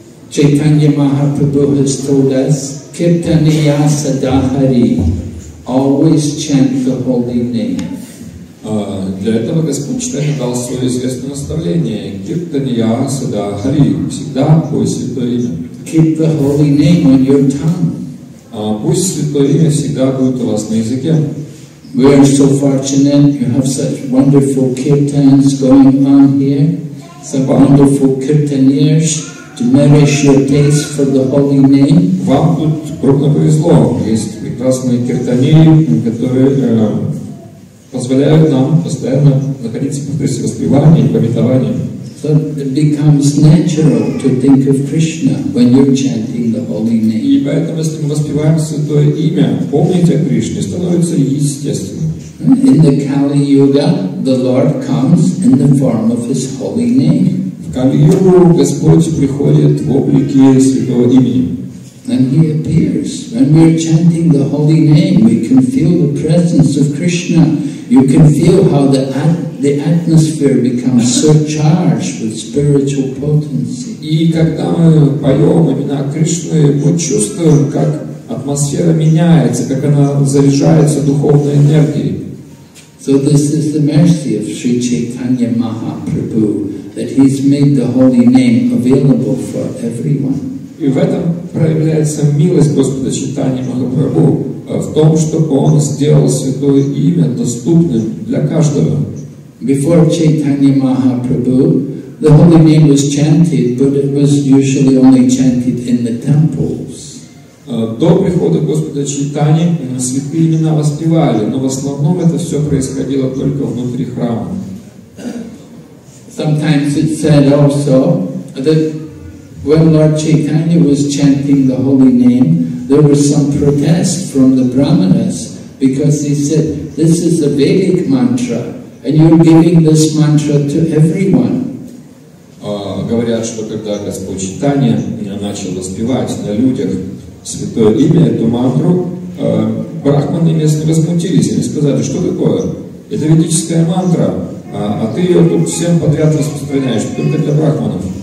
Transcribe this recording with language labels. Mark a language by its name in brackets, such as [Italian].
[English] Chaitanya Mahaprabhu has told us, Kirtaniya Sadahari, always chant the holy name. [Russian] Для этого Господь Читание дал свое известное наставление. Киртанья Сада Хари. Всегда пой святое имя. [English] Keep the holy name on your tongue. [Russian] Пусть святое имя всегда будет у вас на языке. [English] We are so fortunate. You have such wonderful kirtans going on here. Some wonderful kirtaniers to nourish your taste for the holy name. [Russian] Вам тут крупно повезло. Есть прекрасные киртаньи, которые позволяют нам постоянно находиться в процессе воспевания и памятования. [English] So it becomes natural to think of Krishna when you're chanting the holy name. [Russian] И поэтому, если мы воспеваем Святое Имя, помнить о Кришне становится естественным. [English] In the Kali Yuga, the Lord comes in the form of His holy name. [Russian] В Кали-югу Господь приходит в облике Святого Имени. [English] And He appears. When we're chanting the holy name, we can feel the presence of Krishna. You can feel how the the atmosphere becomes so charged with spiritual potency. [Russian] И когда мы поем имена Кришны, мы чувствуем, как атмосфера меняется, как она заряжается духовной энергией. [English] So this is the mercy of Sri Chaitanya Mahaprabhu, that he's made the holy name available for everyone. [Russian] И в этом проявляется милость Господа Чайтаньи Махапрабху, в том, что Он сделал Святое Имя доступным для каждого. [English] Before Chaitanya Mahaprabhu, the holy name was chanted, but it was usually only chanted in the temples. [Russian] До прихода Господа Чайтаньи святые имена воспевали, но в основном это все происходило только внутри храма. [English] Sometimes it said also that when Lord Chaitanya was chanting the holy name, there was some protest from the brahmanas because he said, "This is a Vedic mantra, and you're giving this mantra to everyone." [Russian] Говорят, что когда Господь Чайтанья начал воспевать на людях святое имя, эту мантру, брахманы местные возмутились, они сказали, что такое? Это ведическая мантра, а ты ее тут всем подряд распространяешь, только для брахманов.